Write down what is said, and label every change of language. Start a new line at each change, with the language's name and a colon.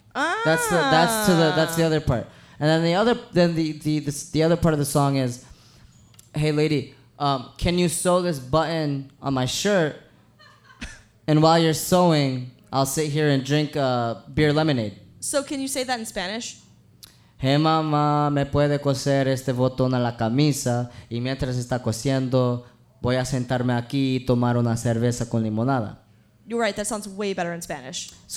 English: Ah. That's the other part. And then the other part of the song is, hey, lady, can you sew this button on my shirt? And while you're sewing, I'll sit here and drink beer lemonade. So can you say that in Spanish?
Spanish: Hey, mama, me puede coser este botón a la camisa. Y mientras está cosiendo, voy a sentarme aquí y tomar una cerveza con limonada.
English: You're right. That sounds way better in Spanish.